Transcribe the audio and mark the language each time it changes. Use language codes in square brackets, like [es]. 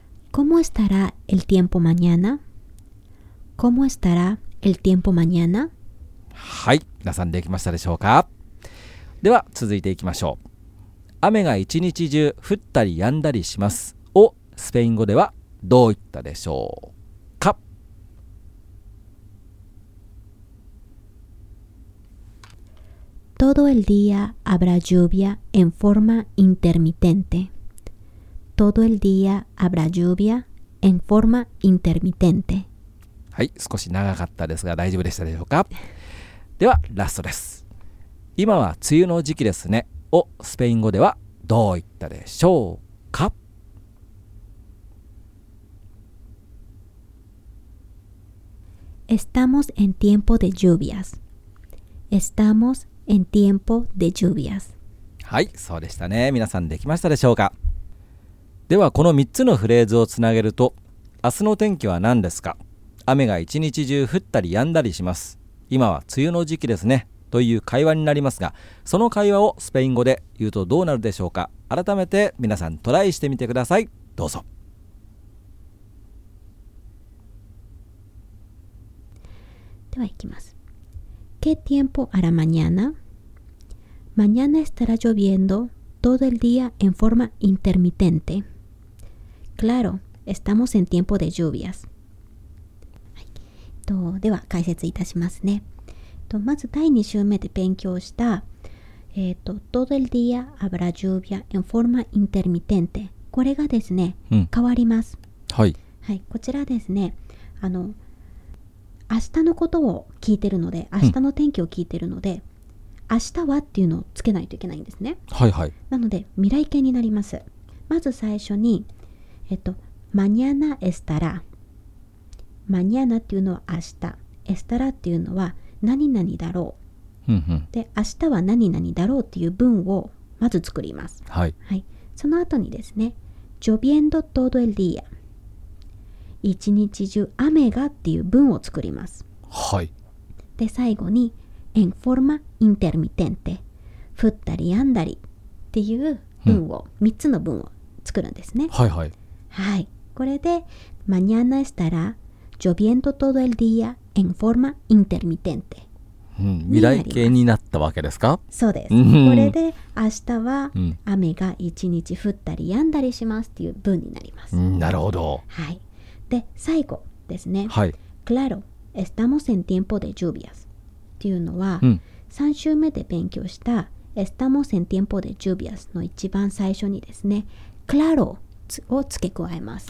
[es] ¿Cómo estará el tiempo mañana? ¿Cómo estará el tiempo mañana? [ja] はい、皆さんできましたでしょうか。では続いていきましょう。雨が一日中降ったり止んだりしますをスペイン語ではどう言ったでしょうか。 [es] Todo el día habrá lluvia en forma intermitente. Todo el día habrá lluvia en forma intermitente. [ja] はい、少し長かったですが大丈夫でしたでしょうか。ではラストです。今は梅雨の時期ですね。をスペイン語ではどう言ったでしょうか。 [es] Estamos en tiempo de lluvias. Estamos en tiempo de lluvias. [ja] はい、そうでしたね。皆さんできましたでしょうか。ではこの3つのフレーズをつなげると、明日の天気は何ですか。雨が1日中降ったり止んだりします。今は梅雨の時期ですね。という会話になりますが、その会話をスペイン語で言うとどうなるでしょうか。改めて皆さんトライしてみてください。どうぞ。では行きます。 [es] ¿Qué tiempo hará mañana? Mañana estará lloviendo todo el día en forma intermitente. Claro, estamos en tiempo de lluvias. [ja] では解説いたしますね。まず第2週目で勉強した、 [es] todo el día habrá lluvia en forma intermitente。 [ja] これがですね、変わります。はい。はい、こちらですね、明日のことを聞いてるので、明日の天気を聞いてるので、明日はっていうのをつけないといけないんですね。はいはい。なので、未来形になります。まず最初に、 [es] mañana estará。 [ja] mañana っていうのは明日。estará っていうのは何々だろう。で、明日は何々だろうっていう文をまず作ります。はい。はい、その後にですね、 [es] lloviendo todo el día。 [ja] 一日中雨がっていう文を作ります。はい。で最後に [es] en forma intermitente [ja] 降ったり止んだりっていう文を、3つの文を作るんですね。はいはい。はい。これで [es] mañana estará lloviendo todo el día en forma intermitente。 [ja] 未来形になったわけですか。そうです。これで明日は雨が一日降ったり止んだりしますっていう文になります。なるほど。はい。で最後ですね、はい、 [es] Claro, estamos en tiempo de lluvias [ja] っていうのは、3週目で勉強した estamos en tiempo de lluvias の一番最初にですね Claro を付け加えます。